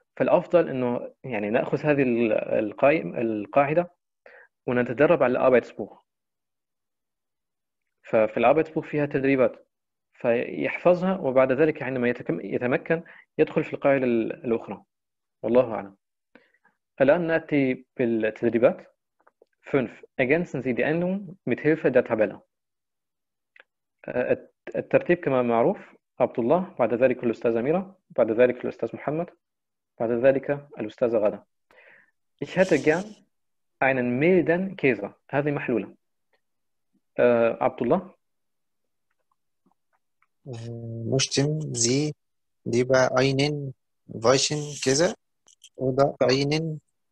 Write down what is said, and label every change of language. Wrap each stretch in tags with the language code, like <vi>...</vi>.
<ar>فالأفضل أنه يعني نأخذ هذه القاعدة ونتدرب على الأرايتسبوخ. ففي الأرايتسبوخ فيها تدريبات فيحفظها وبعد ذلك عندما يتمكن يدخل في القاعدة الأخرى والله أعلم. الآن نأتي بالتدريبات.</ar> <de>5 ergänzen Sie die Endung mit Hilfe der Tabelle.</de> <ar>الترتيب كما معروف عبد الله بعد ذلك الأستاذ أميرة بعد ذلك الأستاذ محمد بعد ذلك الأستاذ غادة.</ar> <de>ich hätte gern einen milden Käse.</de> <ar>هذه محلولة. عبد الله</ar> <de>möchten Sie lieber einen weichen Käse oder einen</de>